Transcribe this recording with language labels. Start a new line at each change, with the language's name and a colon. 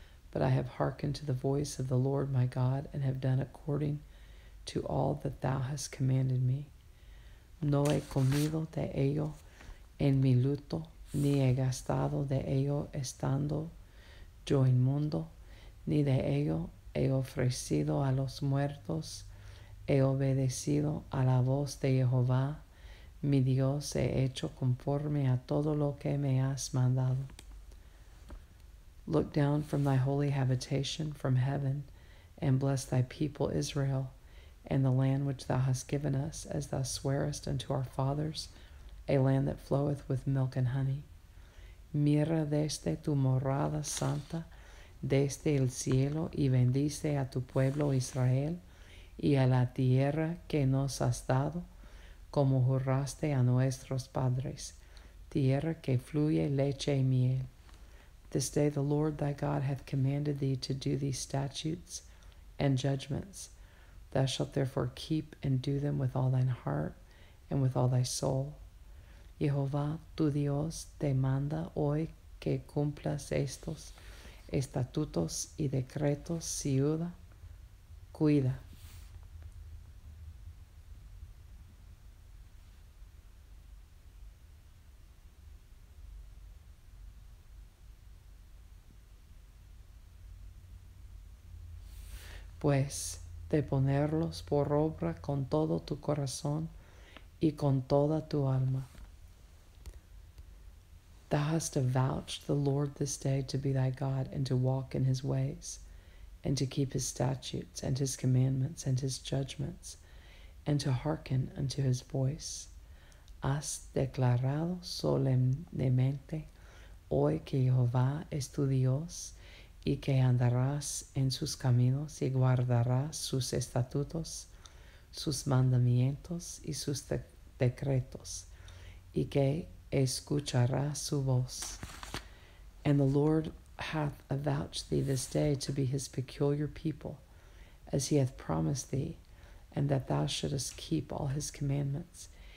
English: But I have hearkened to the voice of the Lord my God, and have done according to all that thou hast commanded me.
Spanish: No he comido de ello en mi luto, ni he gastado de ello estando yo inmundo, ni de ello he ofrecido a los muertos. He obedecido a la voz de Jehová, mi Dios, he hecho conforme a todo lo que me has mandado.
English: Look down from thy holy habitation from heaven, and bless thy people Israel, and the land which thou hast given us, as thou swearest unto our fathers, a land that floweth with milk and honey.
Spanish: Mira desde tu morada santa, desde el cielo, y bendice a tu pueblo Israel, y a la tierra que nos has dado, como juraste a nuestros padres, tierra que fluye leche y miel.
English: This day the Lord thy God hath commanded thee to do these statutes and judgments. Thou shalt therefore keep and do them with all thine heart and with all thy soul.
Spanish: Jehová tu Dios te manda hoy que cumplas estos estatutos y decretos, ciuda, cuida. Pues de ponerlos por obra con todo tu corazón y con toda tu alma.
English: Thou hast avouched the Lord this day to be thy God, and to walk in his ways, and to keep his statutes, and his commandments, and his judgments, and to hearken unto his voice.
Spanish: Has declarado solemnemente hoy que Jehová es tu Dios, y que andarás en sus caminos y guardarás sus estatutos, sus mandamientos y sus decretos, y que escucharás su voz. And the Lord hath avouched thee this day to be his peculiar people, as he hath promised thee, and that thou shouldest keep all his commandments.